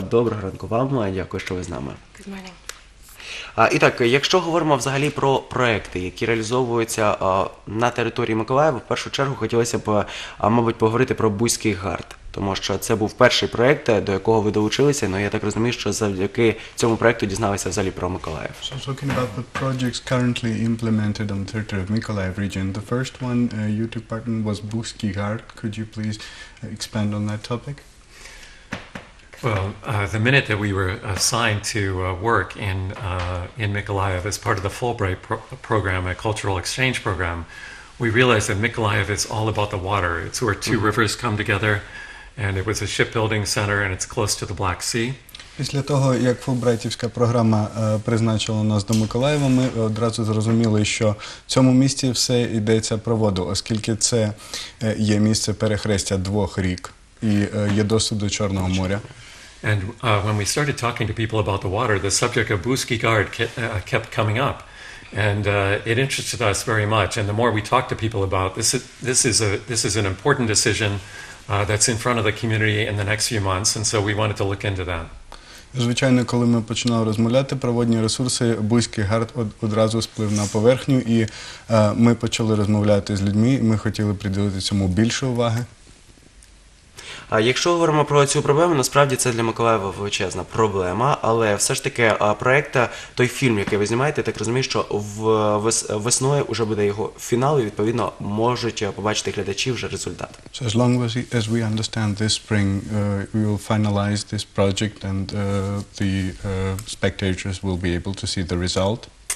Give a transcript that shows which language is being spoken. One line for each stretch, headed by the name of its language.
Ukrainian: Доброго ранку вам, дякую, що ви з нами. І так, якщо говоримо взагалі про проекти, які реалізовуються на території Миколаєва, в першу чергу хотілося б, мабуть, поговорити про Бузький Гард. Тому що це був перший проєкт, до якого ви долучилися, я так розумію, що завдяки цьому проєкту дізналися взагалі про Миколаїв.
English: So talking about the projects currently implemented on the territory of Mykolaiv region, the first one you took part in was Бузький Гард. Could you please expand on that topic? Well, the minute that we were assigned to work in Mykolaiv as part of the Fulbright program, a cultural exchange program, we realized that Mykolaiv is all about the water. It's where two rivers come together. And it was a shipbuilding center, and it's close to the Black Sea.
Ukrainian: Після того, як Фулбрайтівська програма призначила нас до Миколаєва, ми одразу зрозуміли, що в цьому місці все йдеться про воду, оскільки це є місце перехрестя двох рік і є доступ до Чорного моря.
English: And when we started talking to people about the water, the subject of Бузький Гард kept coming up. And it interested us very much. And the more we talked to people about this, this is an important decision that's in front of the community in the next few months, and so we wanted to look into that.
Ukrainian: Звичайно, коли ми починали розмовляти про водні ресурси, Бузький Гард одразу сплив на поверхню, і ми почали розмовляти з людьми, і ми хотіли приділити цьому більше уваги. А якщо говоримо про цю проблему, насправді це для Миколаєва величезна проблема, але все ж таки проект, той фільм, який ви знімаєте, так розумію, що весною вже буде його фінал, і відповідно можуть побачити глядачі вже результат.
English: So as long as we understand this spring, we will finalize this project and the spectators will be able to see the result.